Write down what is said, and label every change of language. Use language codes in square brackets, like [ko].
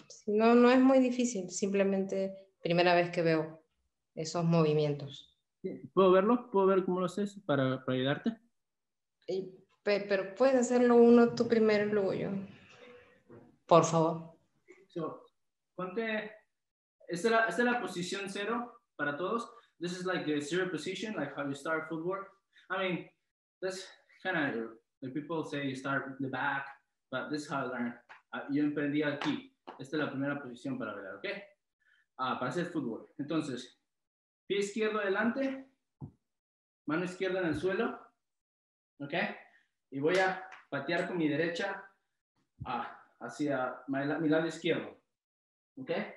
[es] No, no es muy difícil, simplemente primera vez que veo esos movimientos. ¿Puedo verlo? ¿Puedo ver cómo lo haces para ayudarte? Y, pero puedes hacerlo uno tú primero y luego yo. Por favor. So, ponte, esta es la posición cero para todos. [en] This is like the zero position, like how you start footwork. I mean, that's kind of, like people say you start the back, but this is how I learned. [es] Yo emprendí aquí. Esta es la primera posición para bailar, ¿ok? Para hacer fútbol. Entonces, pie izquierdo adelante, mano izquierda en el suelo, ¿ok? Y voy a patear con mi derecha hacia mi lado izquierdo, ¿ok?